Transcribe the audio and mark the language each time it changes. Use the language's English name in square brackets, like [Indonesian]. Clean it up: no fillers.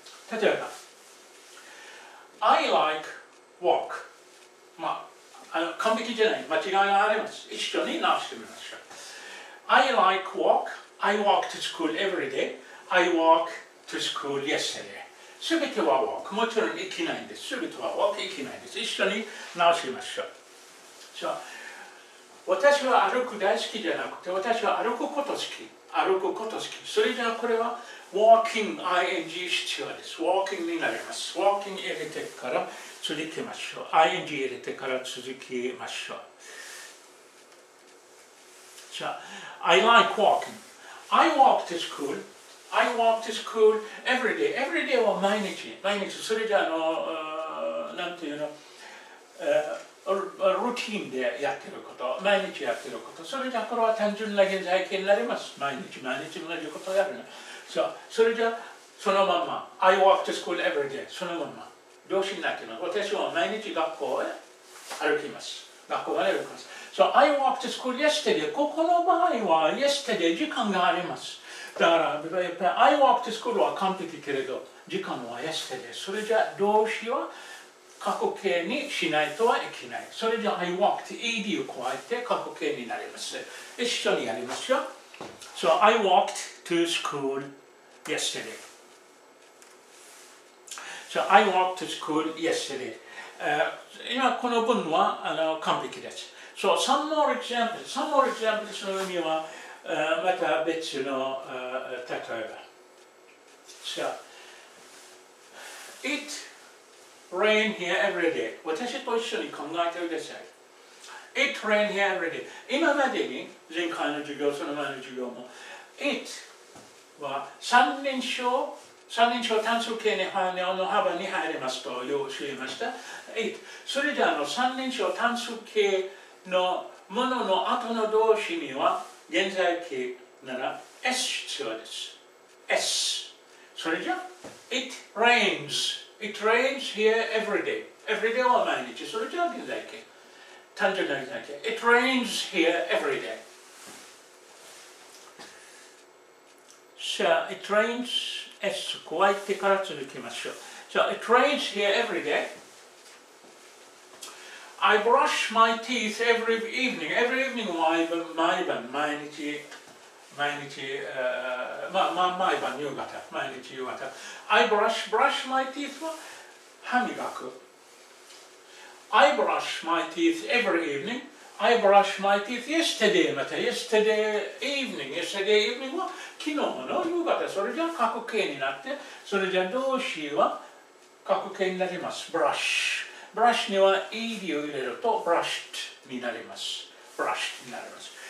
[Japanese] 例えば [English] I like walk、 [Japanese] まあ、完璧じゃない間違いがあります。一緒に直してみましょう。 [English] I like walk I walk to school every dayI walk to school yesterday. [Japanese] すべては walk. もちろん行けないんです。すべては walk 行けないんです。一緒に直しましょう。 So, 私は歩く大好きじゃなくて、私は歩くこと好き。それじゃあこれは walking, ing 必要です。 walking になります。walking 入れてから続きましょう。 ing 入れてから続きましょう。 [English] So, I like walking. I walk to school. I walk to school every day. Every day [Japanese] は毎日。それじゃあの、なんていうの、ルーティーンでやってること、毎日やってること。それじゃあこれは単純な現在形になります。毎日同じことをやるの。それじゃあ、そのまま。 [English] I walk to school every day. [Japanese] そのまま。動詞になっています。私は毎日学校へ歩きます。学校まで歩きます。 [English] So I walked to school yesterday. [Japanese] ここの場合は yesterday 時間があります。だから、やっぱり [English] I walked to school [Japanese] は完璧けれど、時間は yesterday。それじゃ動詞は過去形にしないとはいけない。それじゃ [English] I walked [Japanese] ed を加えて過去形になります。一緒にやりますよ。 [English] So I walked to school yesterday. So, I walked to school yesterday. [Japanese] 今この文は完璧です。 [English] So, some more examples. Some more examples [Japanese] の意味は、また別の、例えば。 [English] So, it rained here every day. [Japanese] 私と一緒に考えてください。 [English] It rained here every day. [Japanese] 今までに、前回の授業、その前の授業も、it は三人称三人称単数形に反応の幅に入りますと用意しました。 [English] It. [Japanese] それで三人称単数形のものの後の動詞には現在形なら S 必要です。S。それじゃ、 [English] It rains. It rains here every day. Every day [Japanese] は毎日。それじゃ現在形。単純な現在形。 [English] It rains here every day. So, it rains. [Japanese] S 加えてから続きましょう。 [English] So, it rains here every day. I brush my teeth every evening. Every evening [Japanese] は毎晩、毎日夕方。 [English] I brush my teeth [Japanese] は歯磨く。 [English] I brush my teeth every evening. I brush my teeth yesterday, [Japanese] また [English] yesterday evening. Yesterday evening [Japanese] は昨日の夕方、それじゃ過去形になって、それじゃ動詞は過去形になります。brush。 brush には ed を入れると brushed になります。brushed になります。